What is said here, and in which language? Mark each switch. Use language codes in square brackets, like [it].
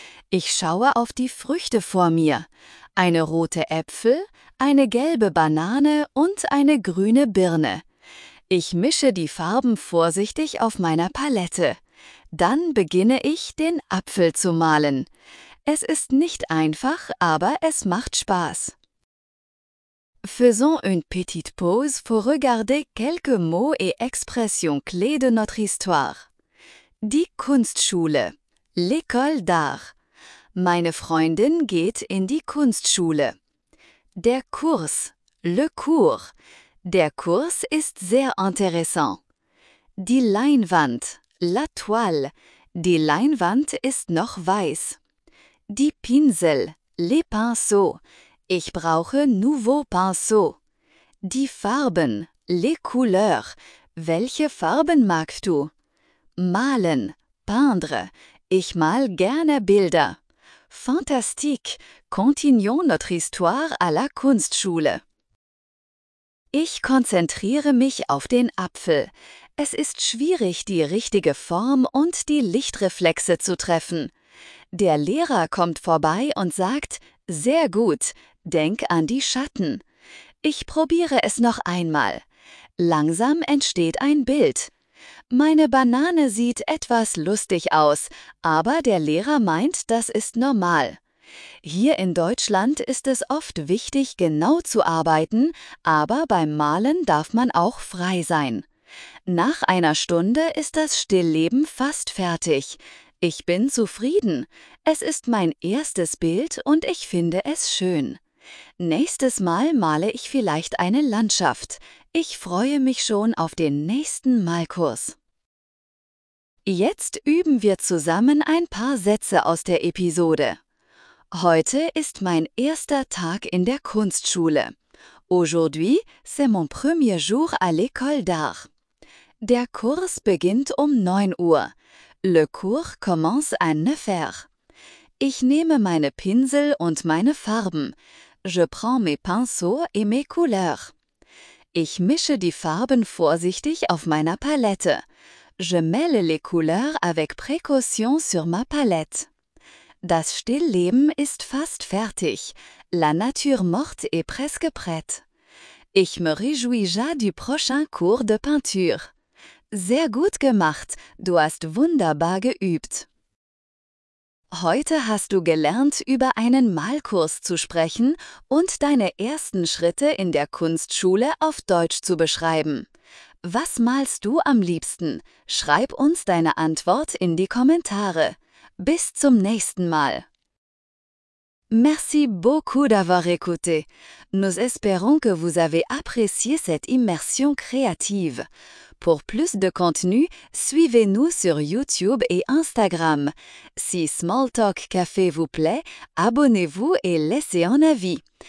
[de] Ich schaue auf die Früchte vor mir. Eine rote Äpfel, eine gelbe Banane und eine grüne Birne. Ich mische die Farben vorsichtig auf meiner Palette. Dann beginne ich, den Apfel zu malen. Es ist nicht einfach, aber es macht Spaß. [fr] Faisons une petite pause pour regarder quelques mots et expressions clés de notre histoire. [de] Die Kunstschule. [fr] L'école d'art. [de] Meine Freundin geht in die Kunstschule. Der Kurs. [fr] Le cours. [de] Der Kurs ist sehr intéressant. Die Leinwand. [fr] La toile. [de] Die Leinwand ist noch weiß. Die Pinsel. [fr] Les pinceaux. [de] Ich brauche [fr] nouveaux pinceaux. [de] Die Farben, [fr] les couleurs. [de] Welche Farben magst du? Malen, [fr] peindre. [de] Ich male gerne Bilder. Fantastique. [fr] Continuons notre histoire à la Kunstschule. [de] Ich konzentriere mich auf den Apfel. Es ist schwierig, die richtige Form und die Lichtreflexe zu treffen. Der Lehrer kommt vorbei und sagt, sehr gut. Denk an die Schatten. Ich probiere es noch einmal. Langsam entsteht ein Bild. Meine Banane sieht etwas lustig aus, aber der Lehrer meint, das ist normal. Hier in Deutschland ist es oft wichtig, genau zu arbeiten, aber beim Malen darf man auch frei sein. Nach einer Stunde ist das Stillleben fast fertig. Ich bin zufrieden. Es ist mein erstes Bild und ich finde es schön. Nächstes Mal male ich vielleicht eine Landschaft. Ich freue mich schon auf den nächsten Malkurs. Jetzt üben wir zusammen ein paar Sätze aus der Episode. Heute ist mein erster Tag in der Kunstschule. [fr] Aujourd'hui, c'est mon premier jour à l'école d'art. [de] Der Kurs beginnt um 9 Uhr. [fr] Le cours commence à 9 heures. [de] Ich nehme meine Pinsel und meine Farben. [fr] Je prends mes pinceaux et mes couleurs. [de] Ich mische die Farben vorsichtig auf meiner Palette. [fr] Je mêle les couleurs avec précaution sur ma palette. [de] Das Stillleben ist fast fertig. [fr] La nature morte est presque prête. Ich me réjouis déjà du prochain cours de peinture. [de] Sehr gut gemacht. Du hast wunderbar geübt. Heute hast du gelernt, über einen Malkurs zu sprechen und deine ersten Schritte in der Kunstschule auf Deutsch zu beschreiben. Was malst du am liebsten? Schreib uns deine Antwort in die Kommentare. Bis zum nächsten Mal. [fr] Merci beaucoup d'avoir écouté. Nous espérons que vous avez apprécié cette immersion créative. Pour plus de contenu, suivez-nous sur YouTube et Instagram. Si Small Talk Café vous plaît, abonnez-vous et laissez un avis.